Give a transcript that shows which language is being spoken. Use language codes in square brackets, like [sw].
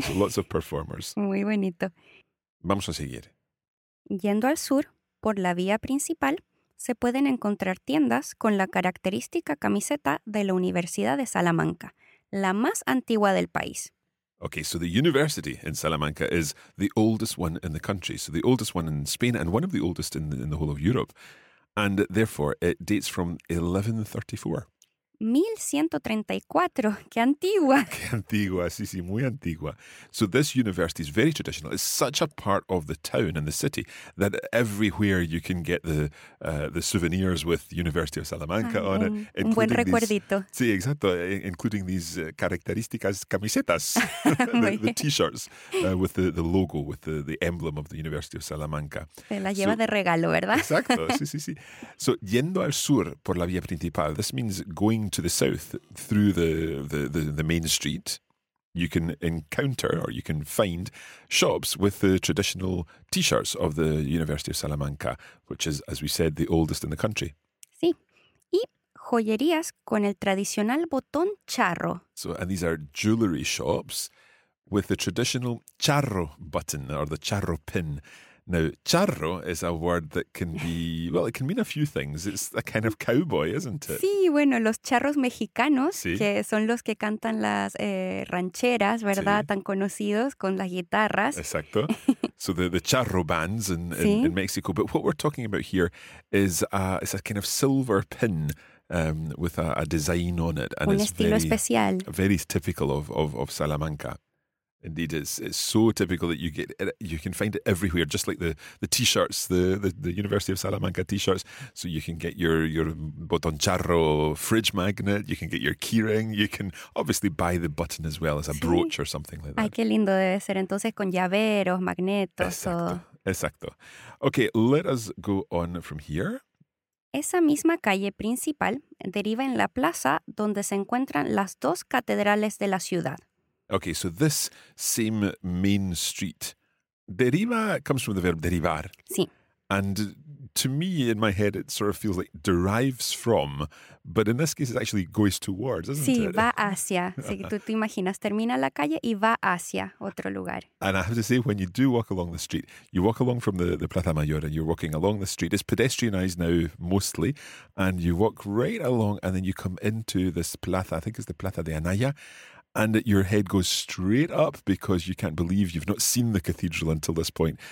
[en] So lots of performers. [es] Muy bonito. Vamos a seguir. Yendo al sur, por la vía principal, se pueden encontrar tiendas con la característica camiseta de la Universidad de Salamanca, la más antigua del país. [en] Okay, so the university in Salamanca is the oldest one in the country. So the oldest one in Spain and one of the oldest in the whole of Europe. And therefore, it dates from 1134. [es] 1134. ¡Qué antigua! ¡Qué antigua! Sí, sí, muy antigua. [en] So this university is very traditional. It's such a part of the town and the city that everywhere you can get the souvenirs with University of Salamanca on it. [es] Un buen recuerdito. [en] These, [es] sí, exacto. [en] Including these [es] características camisetas, [en] the t-shirts with the logo, with the emblem of the University of Salamanca. [es] Se la lleva de regalo, ¿verdad? Exacto. Sí, sí, sí. [en] So [es] yendo al sur por la vía principal, [en] this means going to the south through the main street, you can encounter or you can find shops with the traditional t-shirts of the University of Salamanca, which is, as we said, the oldest in the country. [es] Sí. Y joyerías con el tradicional botón charro. [en] So, and these are jewelry shops with the traditional charro button or the charro pin. Now, charro is a word that can be, well, it can mean a few things. It's a kind of cowboy, isn't it? [es] Sí, bueno, los charros mexicanos, sí. Que son los que cantan las rancheras, ¿verdad? Sí. Tan conocidos con las guitarras. Exacto. [en] So the charro bands in Mexico. But what we're talking about here is it's a kind of silver pin with a design on it. And un it's estilo very, especial. Very typical of Salamanca. Indeed, it's so typical that you can find it everywhere, just like the t-shirts, the University of Salamanca t-shirts. So you can get your botón charro fridge magnet, you can get your keyring, you can obviously buy the button as well as a brooch or something like that. [es] Ay, qué lindo debe ser entonces con llaveros, magnetos. Exacto, exacto. [en] Okay, let us go on from here. [es] Esa misma calle principal deriva en la plaza donde se encuentran las dos catedrales de la ciudad. [en] Okay, so this same main street, deriva comes from the verb derivar. [es] Sí. [en] And to me, in my head, it sort of feels like derives from, but in this case, it actually goes towards, isn't [es] sí, [en] it? [es] Sí, va hacia. Si tú te imaginas, termina la calle y va hacia otro lugar. [en] And I have to say, when you do walk along the street, you walk along from the Plaza Mayor and you're walking along the street. It's pedestrianized now, mostly, and you walk right along and then you come into this plaza, I think it's the Plaza de Anaya, and your head goes straight up because you can't believe you've not seen the cathedral until this point.